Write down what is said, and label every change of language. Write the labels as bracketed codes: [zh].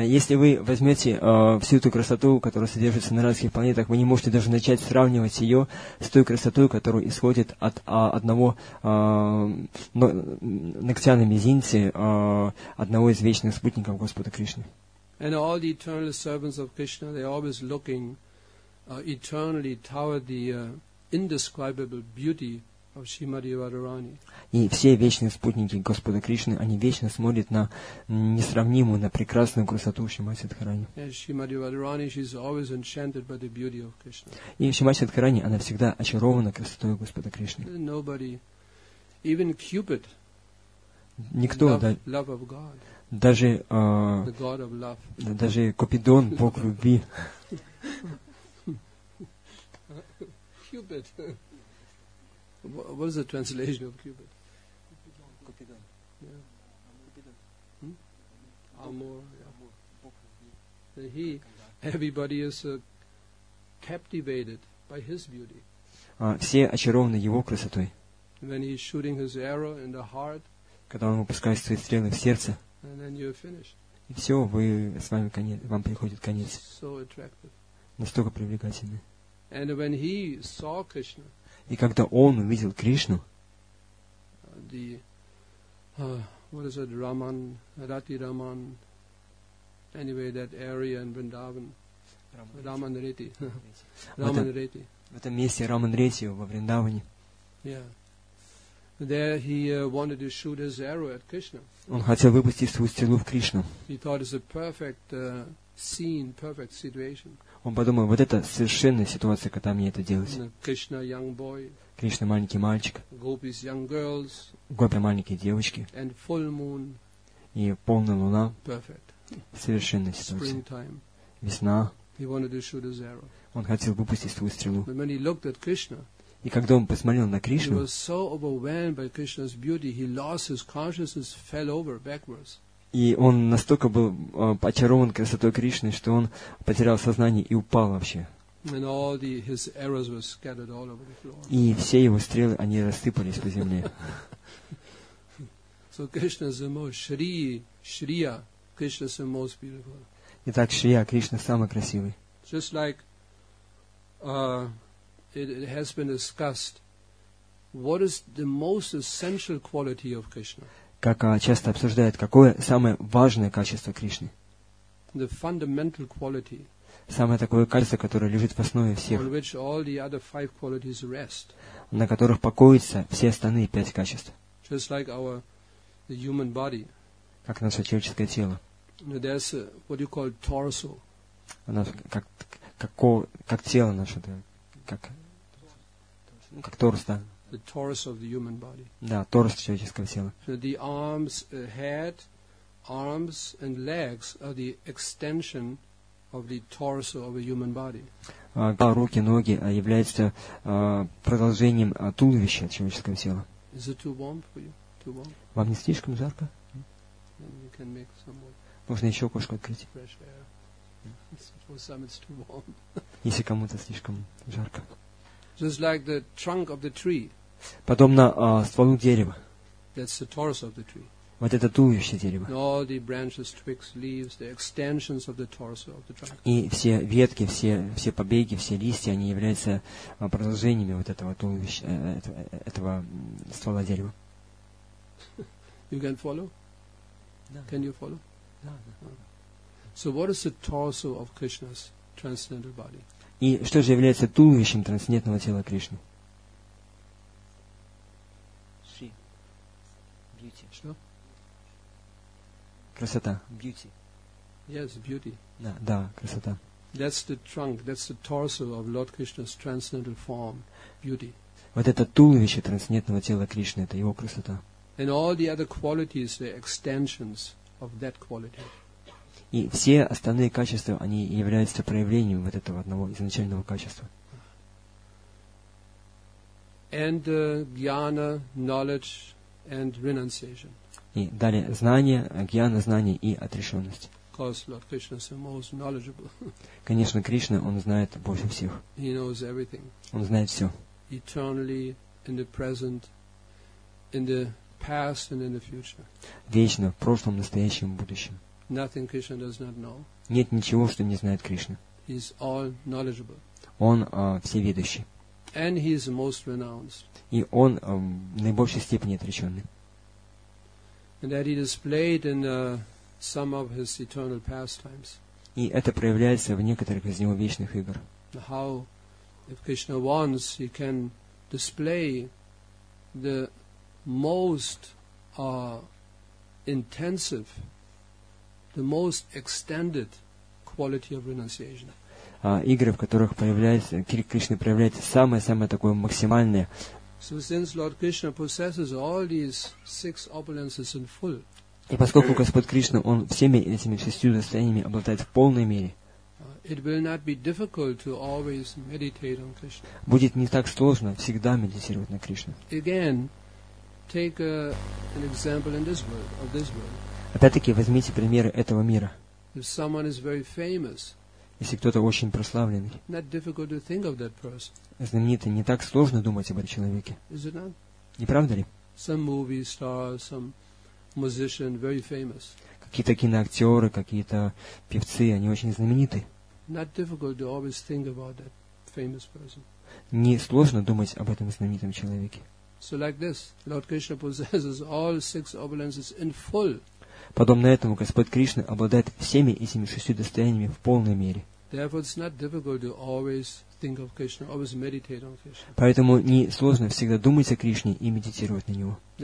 [ru] Если вы возьмете всю эту красоту, которая содержится на райских планетах, вы не можете даже начать сравнивать ее с той красотой, которая исходит от одного ногтя на мизинце одного из вечных спутников Господа Кришны. [en] And all the eternal servants of Krishna, they are always looking eternally toward the indescribable beauty of Srimati Radharani. [ru] И все вечные спутники Господа Кришны, они вечно смотрят на несравнимую, на прекрасную красоту Шримати Радхарани. [en] And Srimati Radharani, she is always enchanted by the beauty of Krishna. [ru] И Шримати Радхарани, она всегда очарована красотой Господа Кришны. [en] Nobody, even Cupid, [ru] никто, [en] love, [ru] да, [en] love of God. [ru] Даже, [en] the God of love. [ru] Даже Купидон, Бог любви. [en] Cupid. What is the translation of Cupid? [ru] Купидон. Амор. [en] Everybody is captivated by his beauty. [ru] Все очарованы его красотой. [en] When he is shooting his arrow in the heart. [ru] Когда он выпускает свои стрелы в сердце. [en] And then you're finished. [ru] И все, вы, с вами конец, вам приходит конец. [en] So attractive. [ru] Настолько привлекательный. [en] And when he saw Krishna, [ru] и когда он увидел Кришну, [en] the, what is it, Raman, Rati Raman, anyway, that area in Vrindavan, Raman Reti. Raman Reti. [ru] В этом месте Раман Рети во Вриндаване. [en] Yeah. There he wanted to shoot his arrow at Krishna. [ru] Он хотел выпустить свою стрелу в Кришну. [en] He thought it's a perfect scene, perfect situation. [ru] Он подумал, вот это совершенная ситуация, когда мне это делать. [en] Krishna, young boy. [ru] Кришна, маленький мальчик. [en] Gopis, young girls. [ru] Гопи, маленькие девочки. [en] And full moon. [ru] И полная луна. [en] Perfect. [ru] Совершенная ситуация. [en] Springtime. [ru] Весна. [en] He wanted to shoot his arrow. [ru] Он хотел выпустить свою стрелу. [en] But when he looked at Krishna, [ru] и когда он посмотрел на Кришну, [en] he was so overwhelmed by Krishna's beauty, he lost his consciousness, fell over backwards. [ru] И он настолько был очарован красотой Кришны, что он потерял сознание и упал вообще. [en] And all the, his arrows were scattered all over the floor. [ru] И все его стрелы, они рассыпались по земле. [en] So Krishna is the most Shri, Shriya, Krishna is the most beautiful. [ru] Итак, Шрия, Кришна самый красивый. [en] Just like it has been discussed, what is the most essential quality of Krishna? [ru] Как часто обсуждают, какое самое важное качество Кришны? [en] The fundamental quality. [ru] Самое такое качество, которое лежит в основе всех. [en] On which all the other five qualities rest. [ru] На которых покоятся все остальные пять качеств. [en] Just like our, the human body. [ru] как наше человеческое тело. [en] That's what you call torso. [ru] Как тело наше, да, как торс, да. [en] The torus of the human body. [ru] Да, торс человеческого тела. [en] So the arms, head, arms and legs are the extension of the torso of a human body. [ru] Руки, ноги являются продолжением туловища человеческого тела. [en] Is it too warm for you? Too warm? [ru] Вам не слишком жарко? [en] Then you can make some more. [ru] Можно еще окошко открыть. [en] Fresh air. For some it's too warm. [ru] Если кому-то слишком жарко. [en] Just like the trunk of the tree. [ru] Подобно стволу дерева. [en] That's the torus of the tree. [ru] Вот это туловище дерева. [en] All the branches, twigs, leaves, the extensions of the torus of the trunk. [ru] И все ветки, все побеги, все листья, они являются продолжениями вот этого туловища, этого ствола дерева. [en] You can follow? [ru] Да. [en] Can you follow? [ru] Да, да. [en] So what is the torso of Krishna's transcendental body? [ru] И что же является туловищем трансцендентного тела Кришны? [en] Sri. Beauty. [ru] Что? Красота. [en] Beauty. Yes, beauty. [ru] Да, да, красота. [en] That's the trunk, that's the torso of Lord Krishna's transcendental form, beauty. [ru] Вот это туловище трансцендентного тела Кришны, это его красота. [en] And all the other qualities are extensions of that quality. [ru] И все остальные качества, они являются проявлением вот этого одного изначального качества. [en] And jnana, knowledge and renunciation. [ru] И далее знание, гьяна, знание и отрешенность. [en] Because Lord Krishna is the most knowledgeable. [ru] Конечно, Кришна, он знает больше всех. [en] He knows everything. [ru] Он знает все. [en] Eternally, in the present, in the past and in the future. [ru] Вечно, в прошлом, настоящем, будущем. [en] Nothing Krishna does not know. [ru] Нет ничего, что не знает Кришна. [en] He is all knowledgeable. [ru] Он всеведущий. [en] And he is most renounced. [ru] И он в наибольшей степени отреченный. [en] And that he displayed in some of his eternal pastimes. [ru] И это проявляется в некоторых из его вечных игр. [en] How, if Krishna wants, he can display the most intensive, the most extended quality of renunciation. [ru] Игры, в которых проявляется, Кришна проявляет самое-самое такое максимальное. [en] So since Lord Krishna possesses all these six opulences in full. [ru] И поскольку Господь Кришна, он всеми этими шестью состояниями обладает в полной мере. [en] It will not be difficult to always meditate on Krishna. [ru] Будет не так сложно всегда медитировать на Кришну. [en] Again, take an example in this world, of this world. [ru] Опять-таки возьмите примеры этого мира. [en] If someone is very famous, [ru] если кто-то очень прославленный, [en] not difficult to think of that person. [ru] Знаменитый, не так сложно думать об этом человеке. [en] Is it not? [ru] Не правда ли? [en] Some movie star, some musician, very famous. [ru] Какие-то киноактеры, какие-то певцы, они очень знамениты. [en] Not difficult to always think about that famous person. [ru] Не сложно думать об этом знаменитом человеке. [en] So like this, Lord Krishna possesses all six opulences in full. [ru] Подобно этому, Господь Кришна обладает всеми этими шестью достояниями в полной мере. Поэтому несложно всегда думать о Кришне и медитировать на Него.